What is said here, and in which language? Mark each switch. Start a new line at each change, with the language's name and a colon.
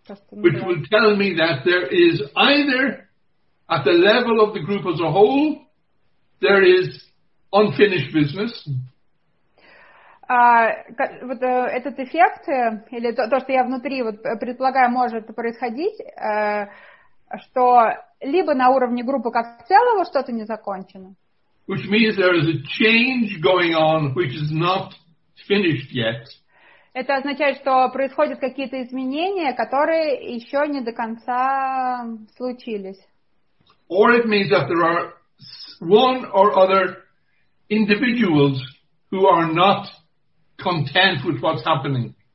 English: Which will tell me that there is either at the level of the group as a whole, there is unfinished business.
Russian: Этот эффект, или то, что я внутри предполагаю, может происходить, что либо на уровне группы как целого что-то не закончено.
English: Which means there is a change going on which is not finished yet.
Russian: Это означает, что происходят какие-то изменения, которые еще не до конца случились.
English: Or it means that there are one or other individuals who are not content with what's happening.